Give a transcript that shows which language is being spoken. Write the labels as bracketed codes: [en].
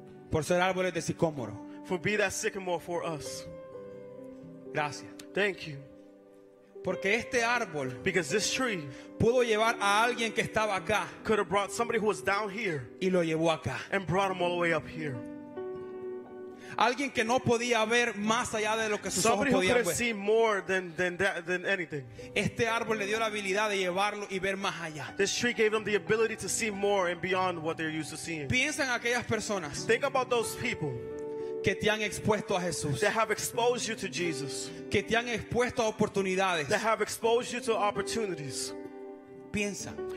[es] Por ser árboles de sicómoro. [en] For being that sycamore for us. [es] Gracias. [en] Thank you. [es] Porque este árbol, [en] because this tree, [es] pudo llevar a alguien que estaba acá, [en] could have brought somebody who was down here, [es] y lo llevó acá, [en] and brought him all the way up here. [es] Alguien que no podía ver más allá de lo que sus [en] somebody [es] ojos podían ver. [en] Somebody who couldn't see more than anything. [es] Este árbol le dio la habilidad de llevarlo y ver más allá. [en] This tree gave them the ability to see more and beyond what they're used to seeing. [es] Piensa en aquellas personas. [en] Think about those people. [es] Que te han expuesto a Jesús. [en] That have exposed you to Jesus. [es] Que te han expuesto a oportunidades. [en] That have exposed you to opportunities. [es] Piensa.